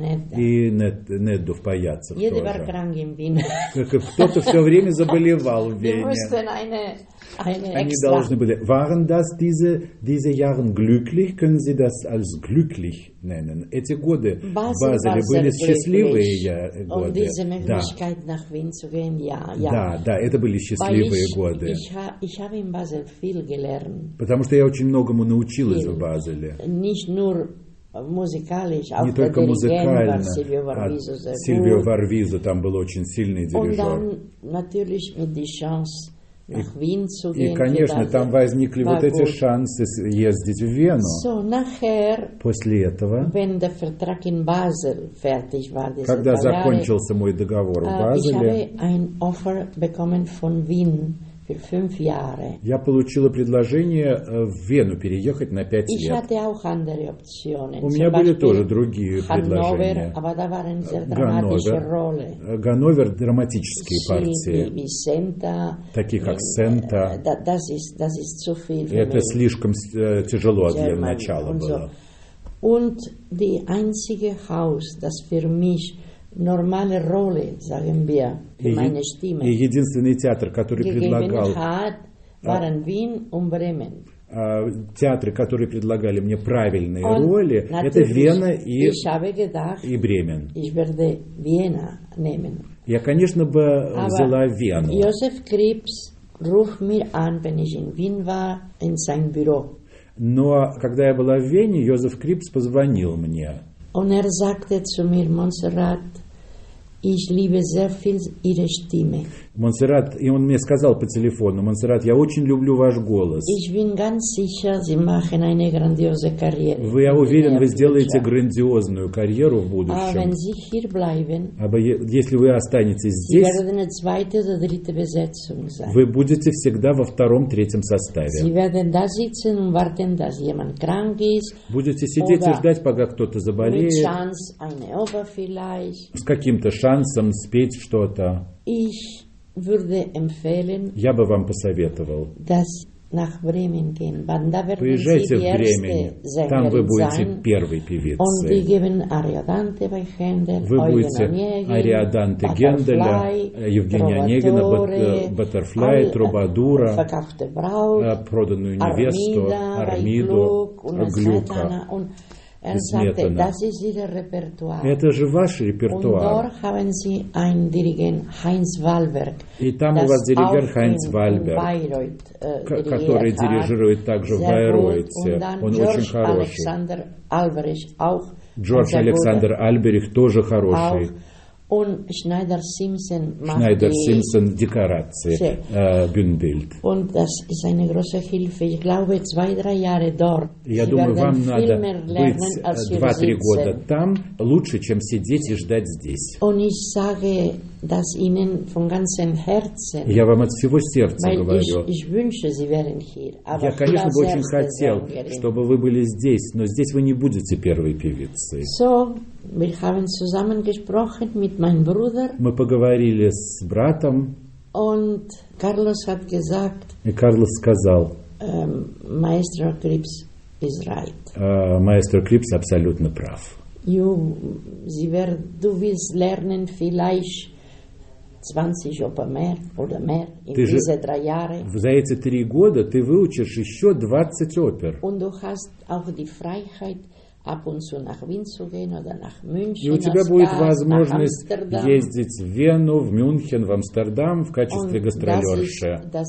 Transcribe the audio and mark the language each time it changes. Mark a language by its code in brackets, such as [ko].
[ru] И Недду в Паяцце тоже. Кто-то все время заболевал в Вене. Они должны были... [de] Waren das diese Jahre glücklich? Können Sie das als glücklich nennen? [ru] Эти годы в Базеле были счастливые годы. [de] Nach Wien zu gehen, [ru] Да, это были счастливые годы. [de] Ich habe in Basel viel gelernt. [ru] Потому что я очень многому научилась в Базеле. [de] Nicht nur musikalisch, [ru] не только музыкально, а Сильвио Варвизо, там был очень сильный дирижер. [de] Natürlich mit die Chance nach Wien zu gehen, [ru] и, конечно, там возникли вот эти шансы ездить в Вену. [de] So, nachher, [ru] после этого, [de] wenn der Vertrag in Basel fertig war, [ru] когда закончился мой договор в Базеле, [de] ich habe ein Offer bekommen von Wien für 5 Jahre. [ru] Я получила предложение в Вену переехать на 5 [de] ich [ru] лет. [de] Hatte auch andere Optionen. [ru] У меня были тоже другие предложения. [de] Aber da waren sehr dramatische Rolle. [ru] Ганновер, драматические партии. [de] Vicenta, [ru] такие как Сента. [de] Das ist zu viel. [ru] Это слишком тяжело для начала [de] und [ru] было. [de] Und die einzige Haus, das für mich normale Rolle, sagen wir, für meine Stimme. [ru] И единственный театр, который предлагал, [de] waren Wien und Bremen. [ru] Театры, которые предлагали мне правильные роли, это Вена и Бремен. [de] Ich werde Vienna nehmen. [ru] Я, конечно, бы взяла Вену. [de] Josef Krips ruf mir an, wenn ich in Wien war, in sein Büro. [ru] Но когда я была в Вене, Josef Krips позвонил мне. [de] Und sagte zu mir, Montserrat, ich liebe sehr viel ihre Stimme. [ru] Montserrat, и он мне сказал по телефону, Montserrat, я очень люблю ваш голос. [de] Ich bin ganz sicher, Sie machen eine grandiose Karriere. [ru] Вы, я уверен, вы сделаете грандиозную карьеру в будущем. [de] Aber wenn Sie hier bleiben, [ru] если вы останетесь здесь, [de] Sie werden eine zweite oder dritte Besetzung sein. [ru] Вы будете всегда во втором, третьем составе. [de] Sie werden da sitzen und warten, dass jemand krank ist. [ru] Будете сидеть и ждать, пока кто-то заболеет. [de] Mit Chance, eine Oper vielleicht. [ru] С каким-то шансом спеть что-то. [de] Ich würde empfehlen, [ru] я бы вам посоветовал, [de] dass nach Bremen gehen. [ru] Поезжайте в Бремен, там вы будете первой певицей. Und die geben Ariadante bei Händel, вы будете Ариаданте Генделя, Евгения Онегина, Баттерфляй, Трубадура, Брауль, проданную невесту, Армиду, Глюка. [de] Er sagte, das ist Ihr Repertoire. [ru] Это же ваш репертуар. [de] Und dort haben Sie einen Dirigent Heinz Wallberg. [ru] И там у вас диригент Хайнц Вальберг, который дирижирует также в Байройте. Он очень хороший. [de] Александр Альберих auch. [ru] Джордж Александр Альберих тоже хороший. [de] Und Schneider Simpson macht Schneider Simpson Dekoration Bühnenbild. Und das ist eine große Hilfe. Ich glaube, 2-3 Jahre dort. [ru] Я думаю, вам надо быть 2-3 года там лучше, чем сидеть и ждать здесь. [de] Und ich sage das Ihnen von ganzem Herzen. [ru] Я вам от всего сердца говорю. [de] Ich wünsche, Sie wären hier. [ru] Я, конечно, бы очень хотел, чтобы вы были здесь, но здесь вы не будете первой певицей. [de] So. Wir haben zusammen gesprochen mit meinem Bruder. [ru] Мы поговорили с братом. [de] Und Carlos hat gesagt. [ru] И Карлос сказал. [en] Maestro Krips is right. [ru] Maestro Krips абсолютно прав. [de] You, Sie werden, du wirst lernen vielleicht 20 Oper mehr oder mehr in diese 3 Jahre. [ru] За эти 3 года ты выучишь еще 20 опер. [de] Und du hast auch die Freiheit. Ab und zu nach Wien zu gehen oder nach München, [ru] и у тебя будет возможность ездить в Вену, в Мюнхен, в Амстердам в качестве гастролерши.